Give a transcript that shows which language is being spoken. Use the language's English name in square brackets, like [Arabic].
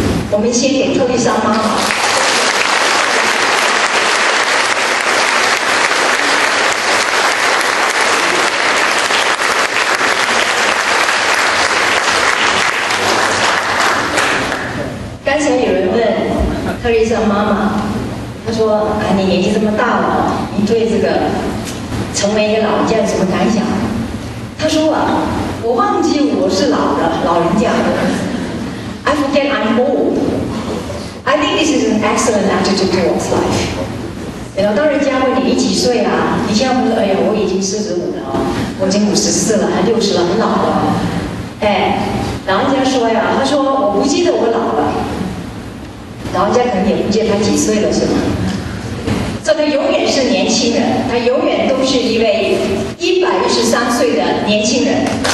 [Chinese] 我们先给特丽莎妈妈，刚才有人问特丽莎妈妈，她说啊，你年纪这么大了，你对这个成为一个老人家有什么感想？她说啊，我忘记我是老的老人家的。 [English] I forget I'm old. I think this is an excellent attitude towards life. You know, [Chinese] 当人家问你你几岁啊，你像我说，哎呀，我已经45了，我已经54了，还60了，很老了。哎，老人家说呀，他说我不记得我老了。老人家可能也不记得他几岁了，是吗？这个永远是年轻人，他永远都是一位113岁的年轻人。